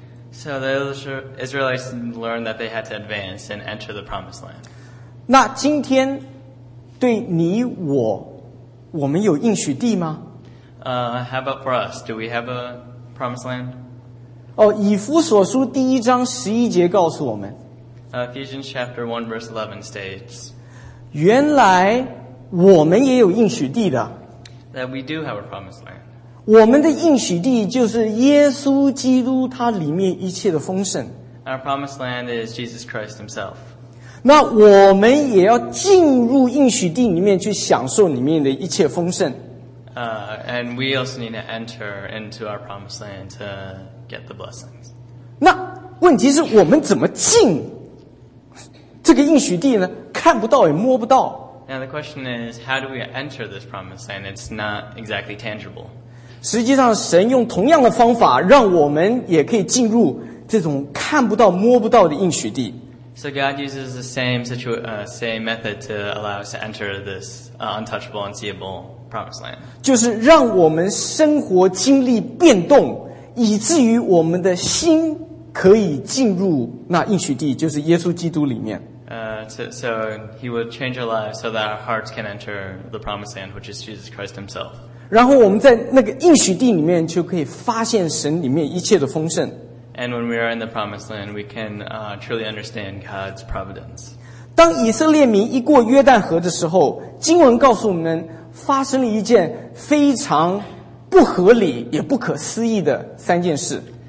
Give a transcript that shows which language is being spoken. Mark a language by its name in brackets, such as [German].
[English] So the Israelites learned that they had to advance and enter the promised land. [Chinese] 那今天对你我，我们有应许地吗？ [English] How about for us? Do we have a promised land? [Chinese] 以弗所书第一章十一节告诉我们。 [English] Ephesians chapter 1 verse 11 states, [Chinese] 原来我们也有应许地的。 [English] That we do have a promised land. [Chinese] 我们的应许地就是耶稣基督他里面一切的丰盛。 [English] Our promised land is Jesus Christ himself. [Chinese] 那我们也要进入应许地里面去享受里面的一切丰盛。 [English] And we also need to enter into our promised land to get the blessings. [Chinese] 那问题是我们怎么进这个应许地呢？看不到也摸不到。 [English] Now the question is, how do we enter this promised land? It's not exactly tangible. [Chinese] 实际上神用同样的方法让我们也可以进入这种看不到摸不到的应许地。 [English] So God uses the same method to allow us to enter this untouchable, unseeable promised land. [Chinese] 就是让我们生活经历变动，以至于我们的心可以进入那应许地，就是耶稣基督里面。 [English] So he will change our lives so that our hearts can enter the promised land, which is Jesus Christ himself. [Chinese] 然后我们在那个应许地里面就可以发现神里面一切的丰盛。 [English] And when we are in the promised land, we can truly understand God's providence. [Chinese] 当以色列民一过约旦河的时候，经文告诉我们发生了一件非常不合理也不可思议的三件事。